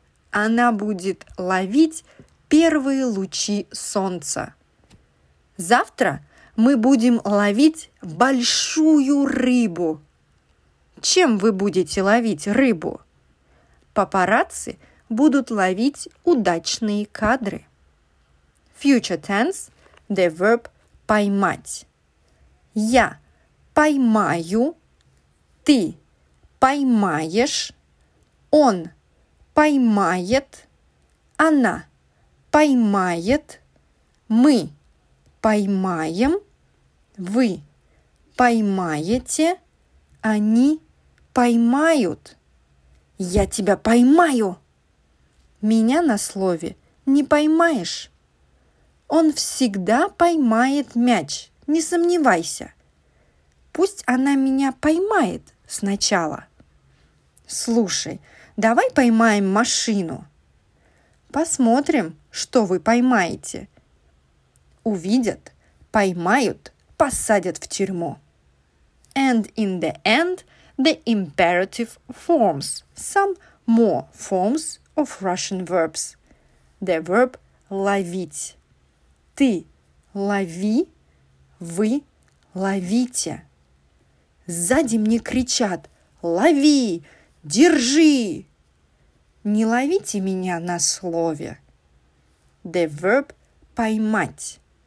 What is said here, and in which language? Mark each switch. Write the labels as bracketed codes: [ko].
[ru] Она будет ловить первые лучи солнца. Завтра мы будем ловить большую рыбу. Чем вы будете ловить рыбу? Папарацци будут ловить удачные кадры. [en] Future tense – the verb «поймать». [ru] Я поймаю, ты поймаешь, он поймает, она поймает, мы поймаем, вы поймаете, они поймают. Я тебя поймаю! Меня на слове не поймаешь. Он всегда поймает мяч, не сомневайся. Пусть она меня поймает сначала. Слушай, давай поймаем машину. Посмотрим, что вы поймаете. Увидят, поймают, посадят в тюрьму. [en] And in the end, the imperative forms, some more forms of Russian verbs. The verb ловить. [ru] Ты лови, вы ловите. Сзади мне кричат: лови, держи. Не ловите меня на слове. [en] The verb поймать.